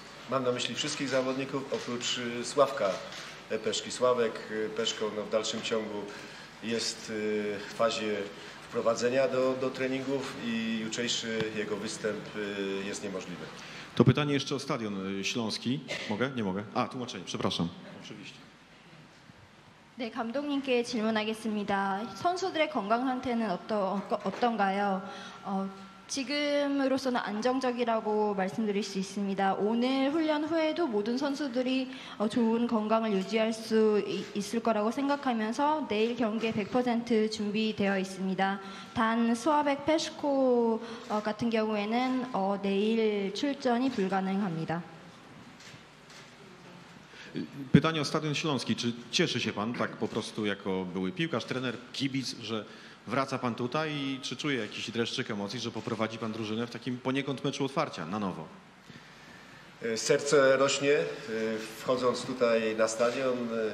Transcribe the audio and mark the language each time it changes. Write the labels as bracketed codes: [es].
[pl] Mam na myśli wszystkich zawodników, oprócz Sławka Peszki. Sławek Peszko w dalszym ciągu jest w fazie wprowadzenia do treningów i jutrzejszy jego występ jest niemożliwy. To pytanie jeszcze o stadion śląski. Mogę? Nie mogę. A, tłumaczenie, przepraszam. Oczywiście. [ko] 네, 감독님께 질문하겠습니다. 선수들의 건강 상태는 어떤가요? 지금으로서는 안정적이라고 말씀드릴 수 있습니다. 오늘 훈련 후에도 모든 선수들이 좋은 건강을 유지할 수 있을 거라고 생각하면서 내일 경기에 100% 준비되어 있습니다. 단 수아벡 페스코 같은 경우에는 내일 출전이 불가능합니다. [pl] Pytanie o stadion Śląski. Czy cieszy się pan tak po prostu jako były piłkarz, trener, kibic, że Wraca pan tutaj i czy czuje jakiś dreszczyk emocji, że poprowadzi pan drużynę w takim poniekąd meczu otwarcia na nowo? Serce rośnie, wchodząc tutaj na stadion.